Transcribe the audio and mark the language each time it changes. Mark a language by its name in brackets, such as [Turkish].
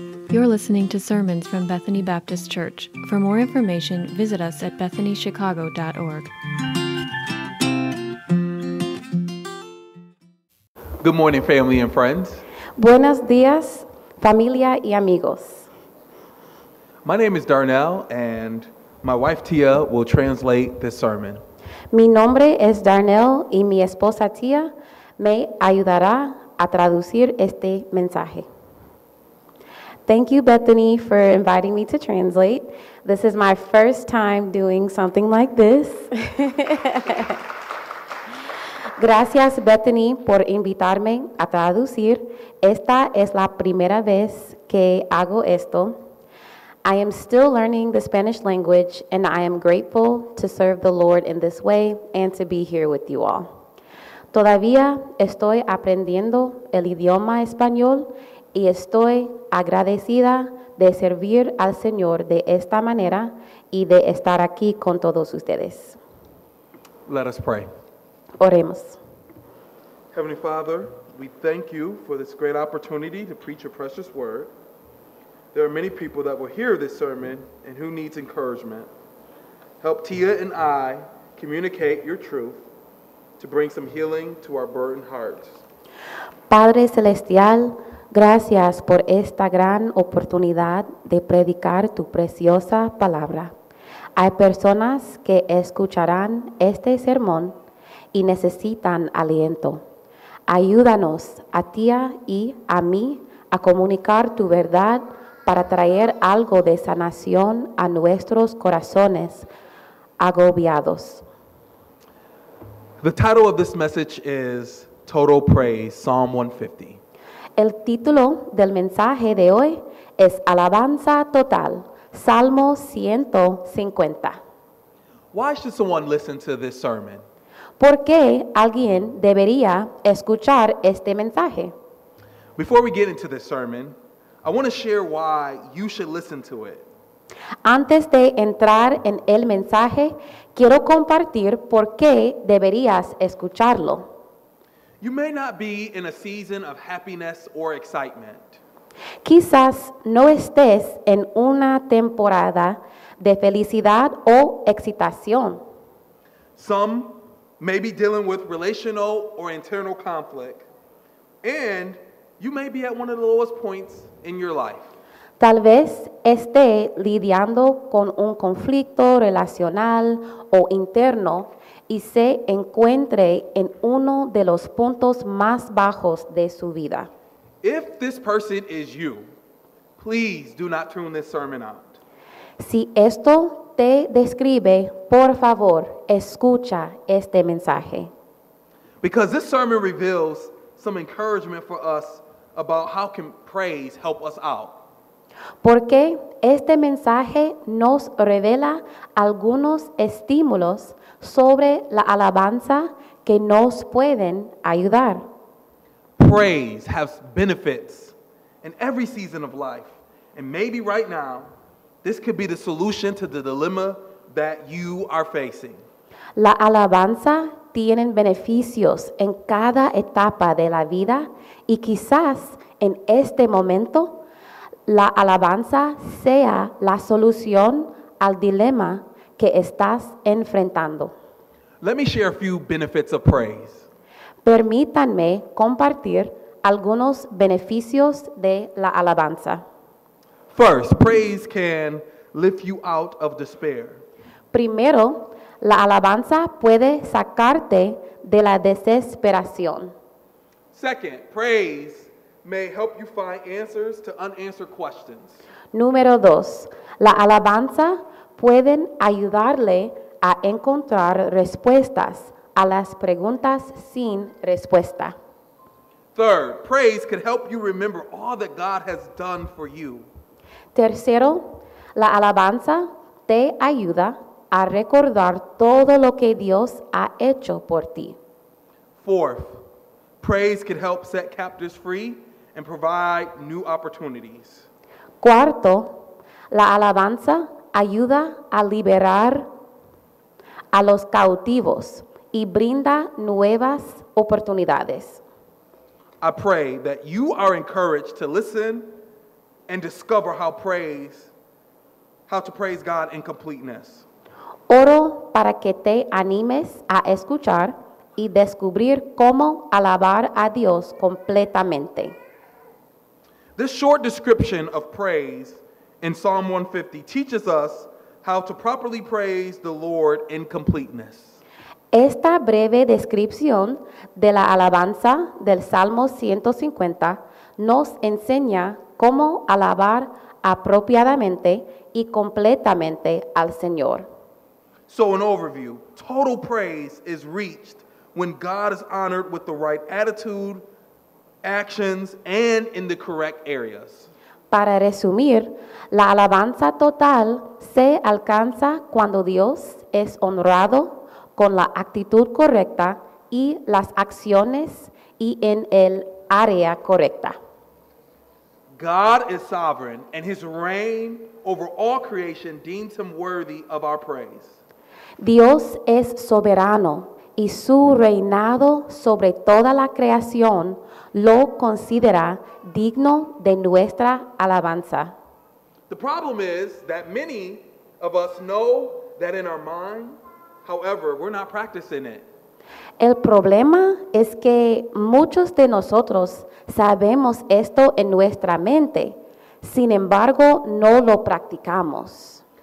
[English] You're listening to sermons from Bethany Baptist Church. For more information, visit us at bethanychicago.org. Good morning, family and friends. [Spanish] Buenos días, familia y amigos. [English] My name is Darnell, and my wife Tia will translate this sermon. [Spanish] Mi nombre es Darnell, y mi esposa Tia me ayudará a traducir este mensaje. [English] Thank you, Bethany, for inviting me to translate. This is my first time doing something like this. [Spanish] Gracias, Bethany, por invitarme a traducir. Esta es la primera vez que hago esto. [English] I am still learning the Spanish language, and I am grateful to serve the Lord in this way and to be here with you all. [Spanish] Todavía estoy aprendiendo el idioma español y estoy agradecida de servir al Señor de esta manera y de estar aquí con todos ustedes. [English] Let us pray. [Spanish] Oremos. [English] Heavenly Father, we thank you for this great opportunity to preach your precious word. There are many people that will hear this sermon and who needs encouragement. Help Tia and I communicate your truth to bring some healing to our burdened hearts. [Spanish] Padre Celestial, gracias por esta gran oportunidad de predicar tu preciosa palabra. Hay personas que escucharán este sermón y necesitan aliento. Ayúdanos a Tia y a mí a comunicar tu verdad para traer algo de sanación a nuestros corazones agobiados. [English] The title of this message is Total Praise, Psalm 150. [Spanish] El título del mensaje de hoy es Alabanza Total, Salmo 150. [English] Why should someone listen to this sermon? [Spanish] ¿Por qué alguien debería escuchar este mensaje? [English] Before we get into this sermon, I want to share why you should listen to it. [Spanish] Antes de entrar en el mensaje, quiero compartir por qué deberías escucharlo. [English] You may not be in a season of happiness or excitement. [Spanish] Quizás no estés en una temporada de felicidad o excitación. [English] Some may be dealing with relational or internal conflict, and you may be at one of the lowest points in your life. [Spanish] Tal vez esté lidiando con un conflicto relacional o interno y se encuentre en uno de los puntos más bajos de su vida. [English] If this person is you, please do not tune this sermon out. [Spanish] Si esto te describe, por favor, escucha este mensaje. [English] Because this sermon reveals some encouragement for us about how can praise help us out. [Spanish] Porque este mensaje nos revela algunos estímulos sobre la alabanza que nos pueden ayudar. [English] Praise has benefits in every season of life. And maybe right now, this could be the solution to the dilemma that you are facing. [Spanish] La alabanza tiene beneficios en cada etapa de la vida y quizás en este momento, la alabanza sea la solución al dilema que estás enfrentando. [English] Let me share a few benefits of praise. [Spanish] Permítanme compartir algunos beneficios de la alabanza. [English] First, praise can lift you out of despair. [Spanish] Primero, la alabanza puede sacarte de la desesperación. [English] Second, praise may help you find answers to unanswered questions. [Spanish] Número dos, la alabanza pueden ayudarle a encontrar respuestas a las preguntas sin respuesta. [English] Third, praise can help you remember all that God has done for you. [Spanish] Tercero, la alabanza te ayuda a recordar todo lo que Dios ha hecho por ti. [English] Fourth, praise can help set captives free and provide new opportunities. [Spanish] Cuarto, la alabanza ayuda a liberar a los cautivos y brinda nuevas oportunidades. [English] I pray that you are encouraged to listen and discover how praise, how to praise God in completeness. [Spanish] Oro para que te animes a escuchar y descubrir cómo alabar a Dios completamente. [English] This short description of praise in Psalm 150 teaches us how to properly praise the Lord in completeness. [Spanish] Esta breve descripción de la alabanza del Salmo 150 nos enseña cómo alabar apropiadamente y completamente al Señor. [English] So in overview, total praise is reached when God is honored with the right attitude, actions, and in the correct areas. [Spanish] Para resumir, la alabanza total se alcanza cuando Dios es honrado con la actitud correcta y las acciones y en el área correcta. [English] God is sovereign, and his reign over all creation deems him worthy of our praise. [Spanish] Dios es soberano, y su reinado sobre toda la creación lo considera digno de nuestra alabanza. [English] The problem is that many of us know that in our mind, however, we're not practicing it. [Spanish] El problema es que muchos de nosotros sabemos esto en nuestra mente, sin embargo, no lo practicamos.